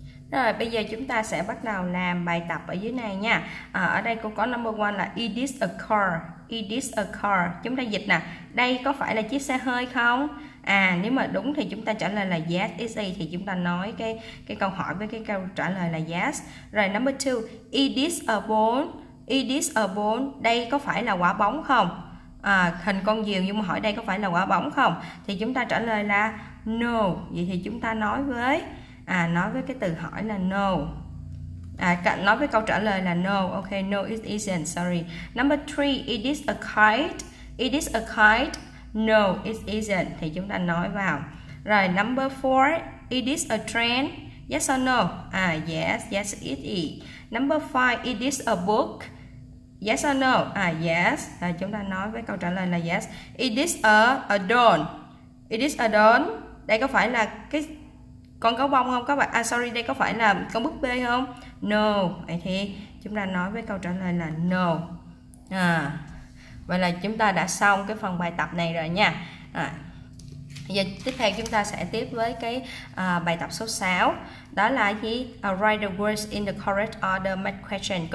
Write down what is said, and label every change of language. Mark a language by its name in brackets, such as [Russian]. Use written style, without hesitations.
[Vietnamese] Rồi, bây giờ chúng ta sẽ bắt đầu làm bài tập ở dưới này nha. Ở đây cô có number one là [English] Is this a car? [Vietnamese] Is this a car? Chúng ta dịch nè. Đây có phải là chiếc xe hơi không? Nếu mà đúng thì chúng ta trả lời là [English] yes, it is. [Vietnamese] Thì chúng ta nói cái câu hỏi với cái câu trả lời là yes. [English] Rồi, number two, is this a ball? Is this a ball? [Vietnamese] Đây có phải là quả bóng không? Hình con diều nhưng mà hỏi đây có phải là quả bóng không? Thì chúng ta trả lời là no. Vậy thì chúng ta nói với cái từ hỏi là no. Nói với câu trả lời là no. [English] Okay, no it isn't. Sorry. Number three, is this a kite? Is this a kite? No, it isn't. [Vietnamese] Thì chúng ta nói vào. Rồi, [English] number four, is this a train? Yes or no? Yes, yes, it is. Number five, is this a book? Yes or no? Yes. [Vietnamese] Rồi, chúng ta nói với câu trả lời là yes. [English] Is this a doll? [Vietnamese] Is this a doll? Đây có phải là cái con gấu bông không các bạn? Sorry, đây có phải là con búp bê không? No. Vậy thì chúng ta nói với câu trả lời là no. Vậy là chúng ta đã xong cái phần bài tập này rồi nha. Giờ tiếp theo chúng ta sẽ tiếp với cái bài tập số 6. Đó là gì? [English] Write the words in the correct order, make question.